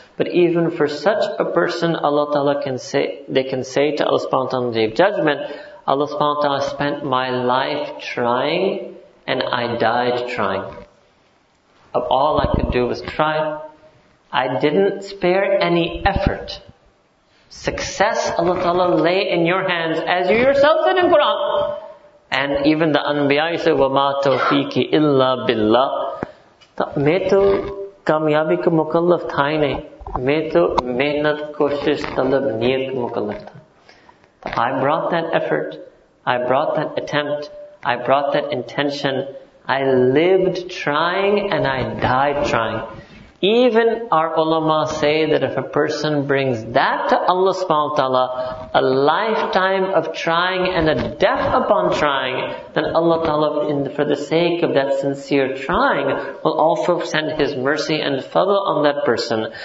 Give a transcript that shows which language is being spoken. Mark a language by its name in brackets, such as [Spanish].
[English] But even for such a person, Allah Ta'ala can say, they can say to Allah subhanahu wa ta'ala on the day of judgment, Allah subhanahu wa ta'ala spent my life trying and I died trying. Of all I could do was try. I didn't spare any effort. Success, Allah Ta'ala, lay in your hands as you yourself said in Quran. And even the anbiya, you say, [Arabic] وَمَا تَوْفِيكِ إِلَّا بِاللَّهِ. [Urdu] میں تو کامیابی کا مکلف تھا ہی نہیں میں تو محنت کوشش طلب نیت کا مکلف تھا. [English] I brought that effort, I brought that attempt, I brought that intention, I lived trying and I died trying. Even our ulama say that if a person brings that to Allah subhanahu wa ta'ala, a lifetime of trying and a death upon trying, then Allah ta'ala, for the sake of that sincere trying, will also send His mercy and fadl on that person.